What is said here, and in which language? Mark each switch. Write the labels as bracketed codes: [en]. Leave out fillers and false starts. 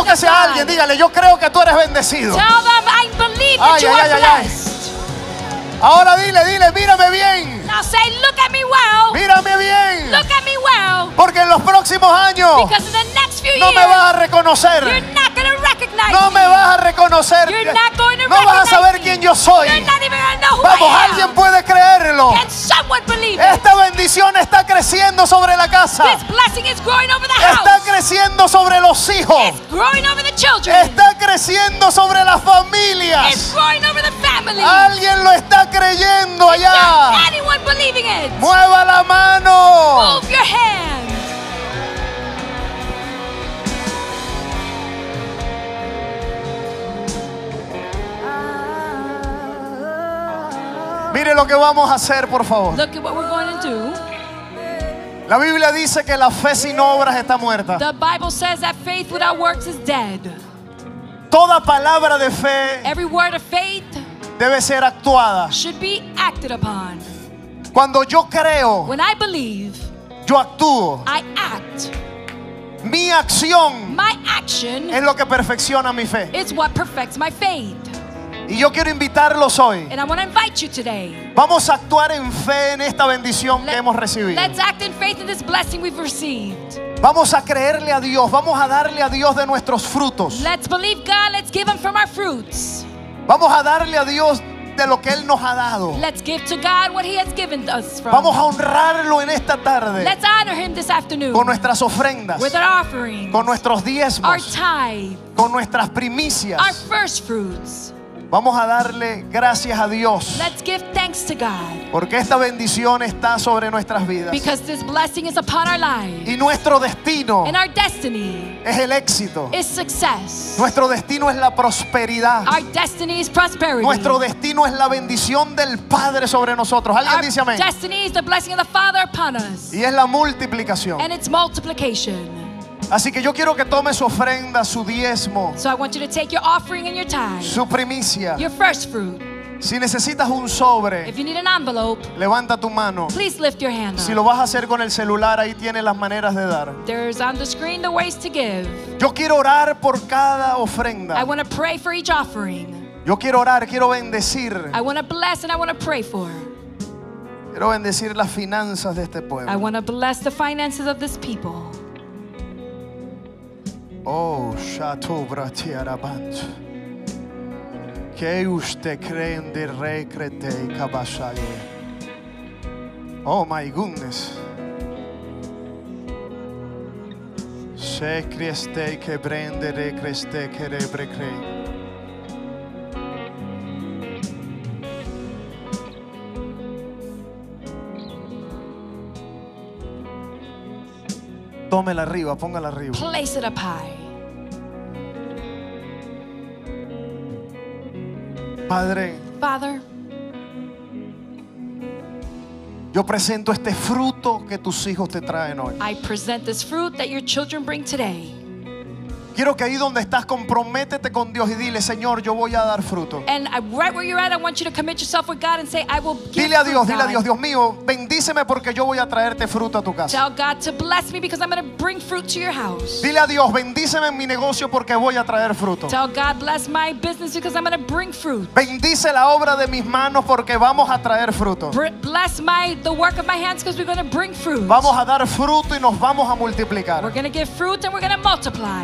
[es] Búscase a alguien, dígale, yo creo que tú eres bendecido. [en] Tell them, I believe that you are blessed. [es] Ahora dile, dile, mírame bien. [en] Now say, look at me well. [es] Mírame bien. [en] Look at me well. [es] Porque en los próximos años, [en] because in the next few years, [es] no me vas a reconocer. [en] You're not going to recognize me. [es] No me vas a reconocer. [en] You're not going to recognize me. [es] No vas a saber quién yo soy. [en] You're not even going to know who [es] Vamos, [en] I am. [es] Alguien puede creerlo. [en] Can someone believe it? [es] Esta bendición está creciendo sobre la casa. [en] This blessing is growing over the house. [es] Está creciendo sobre los hijos. [en] It's growing over the children. [es] Está creciendo sobre las familias. [en] It's growing over the family. [es] Alguien lo está creyendo allá. [en] Anyone believing it? [es] Mueva la mano. [en] Move your hand. [es] Mire lo que vamos a hacer, por favor. [en] Look at what we're going to do. [es] La Biblia dice que la fe sin obras está muerta. [en] The Bible says that faith without works is dead. [es] Toda palabra de fe, [en] every word of faith, [es] debe ser actuada. [en] Should be acted upon. [es] Cuando yo creo, [en] when I believe, [es] yo actúo. [en] I act. [es] Mi acción, [en] my action, [es] es lo que perfecciona mi fe. [en] It's what perfects my faith. [es] Y yo quiero invitarlos hoy. [en] And I want to invite you today. [es] Vamos a actuar en fe en esta bendición que hemos recibido. [en] Let's act in faith in this blessing we've received. [es] Vamos a creerle a Dios. Vamos a darle a Dios de nuestros frutos. [en] Let's believe God. Let's give Him from our fruits. [es] Vamos a darle a Dios de lo que Él nos ha dado. [en] Let's give to God what He has given us from. [es] Vamos a honrarlo en esta tarde. [en] Let's honor Him this afternoon. [es] Con nuestras ofrendas. [en] With our offerings. [es] Con nuestros diezmos. [en] Our tithes. [es] Con nuestras primicias. [en] Our first fruits. [es] Vamos a darle gracias a Dios. [en] Let's give thanks to God. [es] Porque esta bendición está sobre nuestras vidas. [en] Because this blessing is upon our lives. [es] Y nuestro destino, [en] and our destiny, [es] es el éxito. [en] Is success. [es] Nuestro destino es la prosperidad. [en] Our destiny is prosperity. [es] Nuestro destino es la bendición del Padre sobre nosotros. Alguien [en] our [es] dice amén. [en] Our destiny is the blessing of the Father upon us. [es] Y es la multiplicación. [en] And it's multiplication. [es] Así que yo quiero que tome su ofrenda, su diezmo. [en] So I want you to take your offering and your tithe. [es] Su primicia. [en] Your first fruit. [es] Si necesitas un sobre, [en] if you need an envelope, [es] levanta tu mano. [en] Please lift your hand up. [es] Si lo vas a hacer con el celular, ahí tiene las maneras de dar. [en] There's on the screen the ways to give. [es] Yo quiero orar por cada ofrenda. [en] I want to pray for each offering. [es] Yo quiero orar, quiero bendecir. [en] I want to bless and I want to pray for. [es] Quiero bendecir las finanzas de este pueblo. [en] I want to bless the finances of this people. Oh, Shato Bratiarabant. Que usted cree en de recrete y cabasale. Oh, my goodness. Se creste que prende re creste que re precre. [es] Tómela arriba, póngala arriba. [en] Place it up high. [es] Padre. [en] Father. [es] Yo presento este fruto que tus hijos te traen hoy. [en] I present this fruit that your children bring today. [es] Quiero que ahí donde estás, comprométete con Dios y dile, Señor, yo voy a dar fruto. [en] And right where you're at, I want you to commit yourself with God and say, I will give. [es] Dile a Dios, dile a Dios, Dios mío, bendíceme porque yo voy a traerte fruto a tu casa. [en] Tell God to bless me because I'm going to bring fruit to your house. [es] Dile a Dios, bendíceme en mi negocio porque voy a traer fruto. [en] Tell God bless my business because I'm going to bring fruit. [es] Bendice la obra de mis manos porque vamos a traer fruto. [en] Bless my the work of my hands because we're going to bring fruit. [es] Vamos a dar fruto y nos vamos a multiplicar. [en] We're going to give fruit and we're going to multiply.